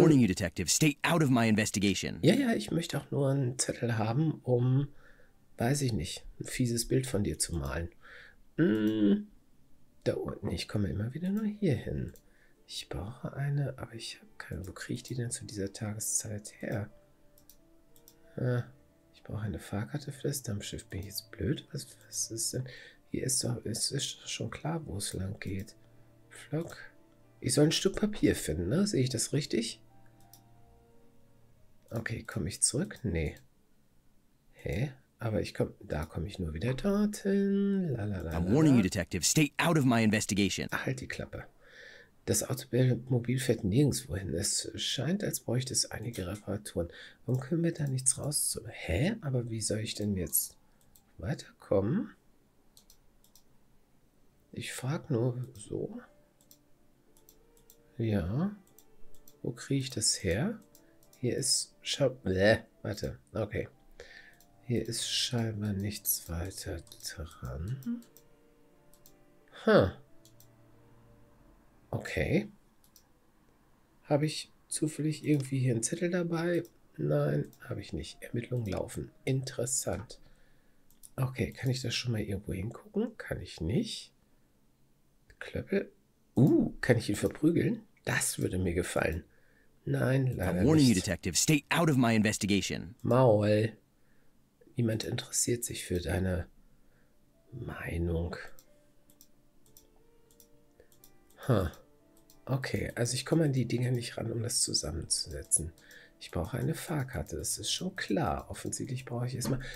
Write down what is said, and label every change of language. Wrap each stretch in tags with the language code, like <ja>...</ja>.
<en>I'm warning you, Detective. Stay out of my investigation.</en> <de>Ja, ja, ich möchte auch nur einen Zettel haben, um, weiß ich nicht, ein fieses Bild von dir zu malen. Da unten, ich komme immer wieder nur hier hin. Ich brauche eine, aber ich habe keine. Wo kriege ich die denn zu dieser Tageszeit her? Ich brauche eine Fahrkarte für das Dampfschiff. Bin ich jetzt blöd? Was ist denn? Hier ist doch, es ist schon klar, wo es lang geht. Flock. Ich soll ein Stück Papier finden, ne? Sehe ich das richtig? Okay, komme ich zurück? Nee. Hä? Aber ich komme, da komme ich nur wieder dorthin. Lalalala.</de> <en>I'm warning you, Detective. Stay out of my investigation.</en> <de>Halt die Klappe. Das Automobil fährt nirgendwo hin. Es scheint, als bräuchte es einige Reparaturen. Warum können wir da nichts raus? Hä? Aber wie soll ich denn jetzt weiterkommen? Ich frage nur so. Ja. Wo kriege ich das her? Hier ist. Warte. Okay. Hier ist scheinbar nichts weiter dran. Hm. Okay. Habe ich zufällig irgendwie hier einen Zettel dabei? Nein, habe ich nicht. Ermittlungen laufen. Interessant. Okay, kann ich das schon mal irgendwo hingucken? Kann ich nicht. Klöppel. Kann ich ihn verprügeln? Das würde mir gefallen. Nein, leider nicht.</de> <en>I'm warning you, Detective. Stay out of my investigation.</en> <de>Maul. Niemand interessiert sich für deine Meinung. Okay, also ich komme an die Dinger nicht ran, um das zusammenzusetzen. Ich brauche eine Fahrkarte, das ist schon klar. Offensichtlich brauche ich erstmal...</de>